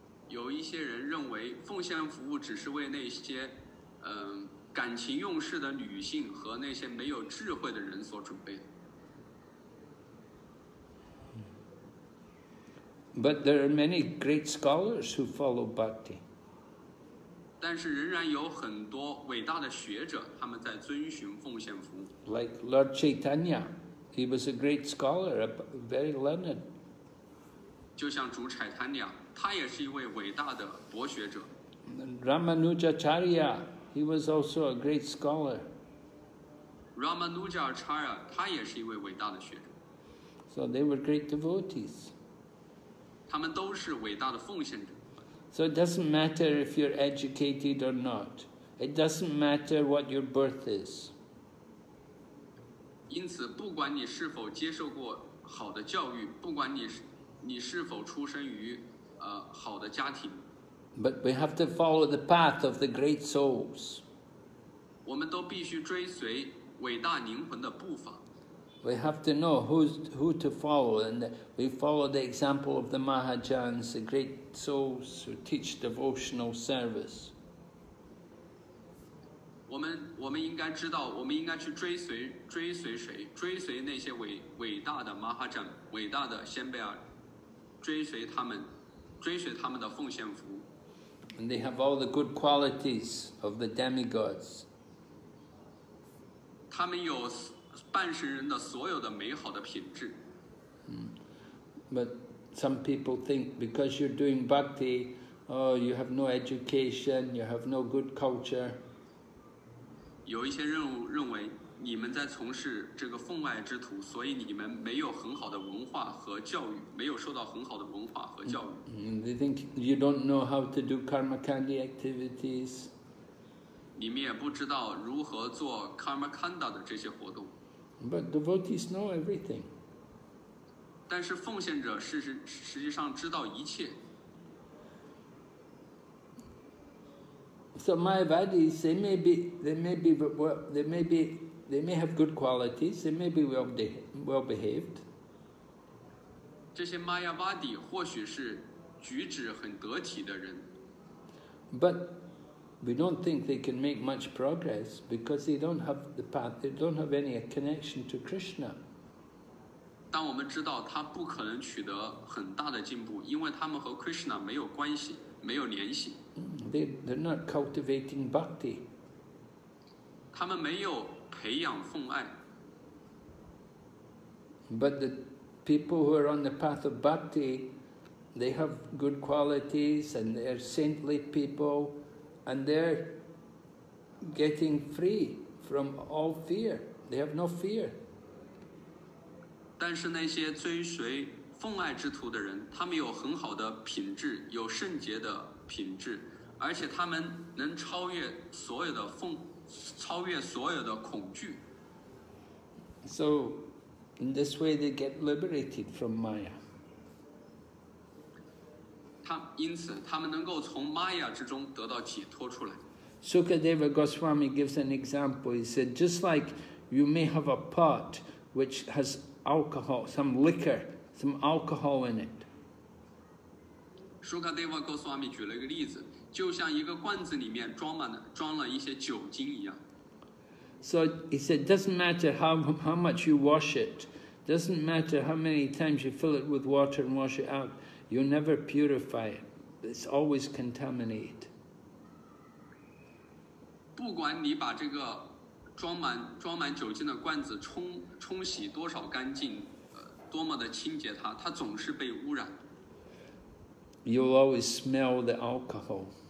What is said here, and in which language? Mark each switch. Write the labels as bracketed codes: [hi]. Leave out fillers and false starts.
[zh] 有一些人认为奉献服务只是为那些感情用事的女性和那些没有智慧的人所准备的。 [en] But there are many great scholars who follow bhakti. [zh] 但是仍然有很多伟大的学者，他们在遵循奉献服务。 [en] Like Lord Chaitanya, he was a great scholar, very learned. [zh] 就像主柴坦尼亚，他也是一位伟大的博学者。 [en] Ramanujacharya, he was also a great scholar. [zh] Ramanujacharya, 他也是一位伟大的学者。 [en] So they were great devotees. [zh] 他们都是伟大的奉献者。 [en] So it doesn't matter if you're educated or not. It doesn't matter what your birth is. [zh] 因此，不管你是否接受过好的教育，不管你是否出生于好的家庭。 [en] But we have to follow the path of the great souls. [zh] 我们都必须追随伟大灵魂的步伐。 [en] We have to know who to follow, and we follow the example of the Mahajans, the great souls who teach devotional service. [zh] 我们应该知道，我们应该去追随谁？追随那些伟大的 Mahajan, 伟大的先辈儿，追随他们的奉献服务。 [en] And they have all the good qualities of the demigods. [zh] 他们有。半神人的所有的美好的品质。 [en] But some people think because you're doing bhakti, oh, you have no education, you have no good culture. [zh] 有一些人认为你们在从事这个奉爱之徒，所以你们没有很好的文化和教育，没有受到很好的文化和教育。 [en] They think you don't know how to do karmakandi activities. [zh] 你们也不知道如何做 karmakanda 的这些活动。 [en] But devotees know everything. [zh] 但是奉献者实际上知道一切。 [en] So Mayavadis, they may be They may have good qualities, they may be well behaved. [zh] 这些 Mayavadi 或许是举止很得体的人。 [en] But we don't think they can make much progress because they don't have the path, they don't have any connection to Krishna. [zh] 但我们知道他不可能取得很大的进步，因为他们和 Krishna 没有关系，没有联系。 [en] They're not cultivating bhakti. [zh] 他们没有培养奉爱。 [en] But the people who are on the path of bhakti, they have good qualities and they are saintly people and they're getting free from all fear. They have no fear. [zh] 但是那些追随奉爱之徒的人，他们有很好的品质，有圣洁的品质。而且他们能超越所有的奉，超越所有的恐惧。 [en] So, in this way, they get liberated from Maya. [zh] 因此，他们能够从 Maya 之中得到解脱出来。 [en] Sukadeva Goswami gives an example. He said, just like you may have a pot which has alcohol, some liquor, some alcohol in it. [zh] Sukadeva Goswami 举了一个例子。就像一个罐子里面装了一些酒精一样。 [en] So he said, doesn't matter how much you wash it, doesn't matter how many times you fill it with water and wash it out, you never purify it. It's always contaminated. [zh] 不管你把这个装满酒精的罐子冲洗多少干净，多么的清洁它总是被污染。 [en] You'll always smell the alcohol.